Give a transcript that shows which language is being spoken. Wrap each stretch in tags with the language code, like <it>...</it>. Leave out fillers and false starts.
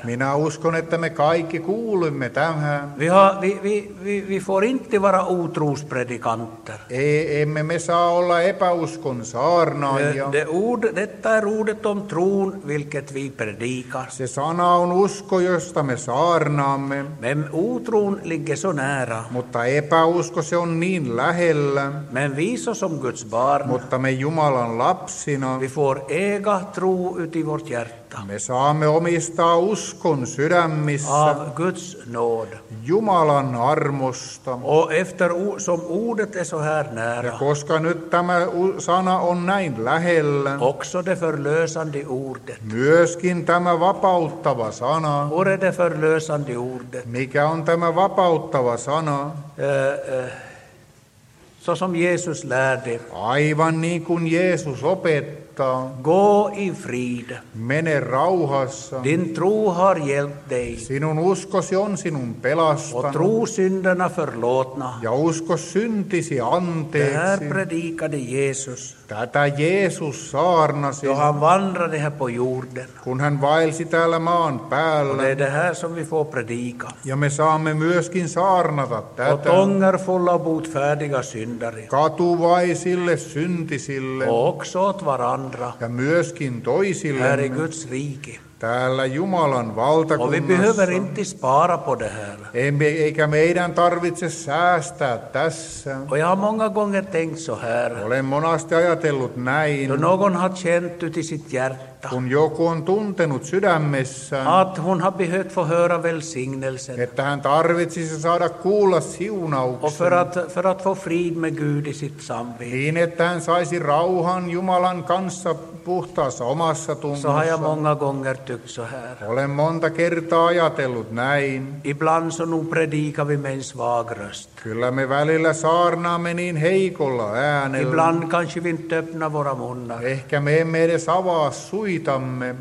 <fi>Minä uskon, että me kaikki kuulimme tämän.</fi> <sv>Vi får inte vara otrospredikanter.</sv> <fi>Emme me saa olla epäuskon saarnaajia.</fi> <sv>Detta är ordet om tron, vilket vi predikar.</sv> <fi>Se sana on usko, josta me saarnaamme.</fi> <sv>Men otron ligger så nära.</sv> <fi>Mutta epäusko, se on niin lähellä.</fi> <sv>Men vi som Guds barn.</sv> <fi>Mutta me Jumalan lapsina.</fi> <sv>Vi får äga tro. Ut i vårt hjärta.</sv> <fi>Me saamme omistaa uskon sydämissä.</fi> <sv>Av Guds nåd.</sv> <fi>Jumalan armosta.</fi> <sv>Och efter som ordet är så här nära.</sv> <fi>Ja koska nyt tämä sana on näin lähellä.</fi> <sv>Också det förlösande ordet.</sv> <fi>Myöskin tämä vapauttava sana.</fi> <sv>Ore det förlösande ordet.</sv> <fi>Mikä on tämä vapauttava sana?</fi> <sv>Så som Jesus lärde.</sv> <fi>Aivan niin kuin Jeesus opettaa.</fi> <sv>Gå i frid.</sv> <fi>Mene rauhassa.</fi> <sv>Din tro har hjälpt dig.</sv> <fi>Sinun uskosi on sinun pelastanut.</fi> <sv>Och tro syndena förlåtna.</sv> <fi>Ja usko syntisi anteeksi.</fi> <sv>Det här predikade Jesus.</sv> <fi>Tätä Jeesus saarnasi.</fi> <sv>Då han vandrade här på jorden.</sv> <fi>Kun hän vaelsi täällä maan päällä.</fi> <sv>Och det är det här som vi får predika.</sv> <fi>Ja me saamme myöskin saarnata tätä.</fi> <sv>Och tongar fulla botfärdiga syndare.</sv> <fi>Katuvaisille syntisille.</fi> <sv>Och också åt varandra.</sv> <fi>Ja myöskin toisille.</fi> <sv>Här i Guds rike.</sv> <fi>Täällä Jumalan valtakunnassa.</fi> <sv>Och vi behöver inte spara på det här.</sv> <fi>Eikä meidän tarvitse säästää tässä.</fi> <sv>Och jag har många gånger tänkt så här.</sv> <fi>Olen monasti ajatellut näin.</fi> <sv>Då någon har känt ut i sitt hjärta.</sv> <fi>Kun joku on tuntenut sydämessä.</fi> <sv>Att hon har behövt få höra välsignelsen.</sv> <fi>Että hän tarvitsisi saada kuulla siunauksen.</fi> <sv>Och för att få frid med Gud i sitt samvete.</sv> <fi>Niin, että hän saisi rauhan Jumalan kanssa puhtaassa omassa tunnossa.</fi> <sv>Så har jag många gånger. Så här.</sv> <fi>Olen monta kertaa ajatellut näin.</fi> <sv>Ibland så nu predikar vi med en svag röst.</sv> <fi>Kyllä me välillä saarnaamme niin heikolla äänellä.</fi> <sv>Ibland kanske vi inte öppnar våra munnar.</sv> <fi>Ehkä me emme edes avaa suitamme.</fi>